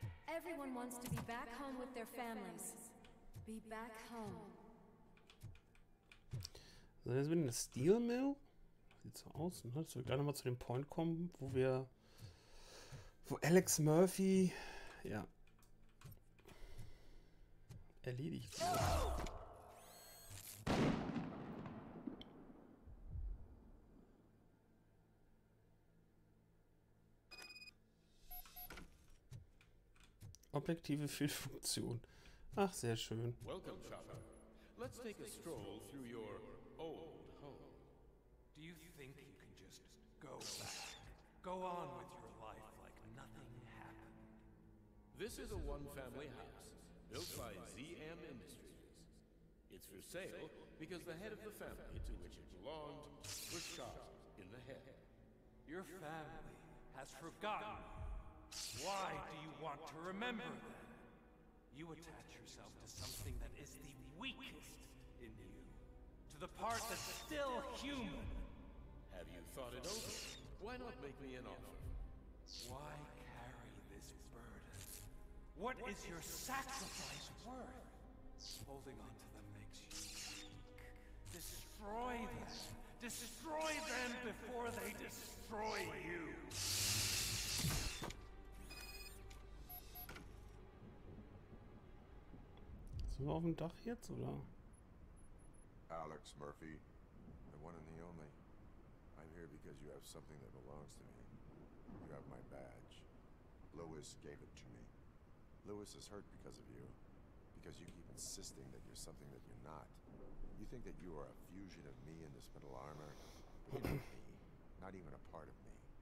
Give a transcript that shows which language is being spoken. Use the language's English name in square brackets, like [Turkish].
[English] Everyone wants to be back home with their families. Be back home. [German] So, jetzt bin ich in der Steel Mill. Sieht so aus, ne? Sollen wir gleich nochmal zu dem Point kommen, wo wir. Wo Alex Murphy. Ja. Erledigt. Objektive Fehlfunktion. Ach, sehr schön. [English] Welcome, Chopper. Let's take a stroll through your old home. Do you think you can just go back? Go on with your life like nothing happened. This is a one-family house built by ZM Industries. It's for sale because the head of the family to which it belonged was shot in the head. Your family has forgotten. Why do you want to remember them? You attach yourself to something that is the weakest in you. To the part that's still human. Have you thought it over? Why not make me an offer? Why carry this burden? What is your sacrifice worth? Holding on to them makes you weak. Destroy them. Destroy them before they destroy you. [German] Sind wir auf dem Dach jetzt, oder? [English] Alex Murphy, the one and the only. I'm here because you have something that belongs to me. You have my badge. Lewis gave it to me. Lewis is hurt because of you. Because you keep insisting that you're something that you're not. You think that you are a fusion of me and this metal armor? You're not me. Not even a part of me.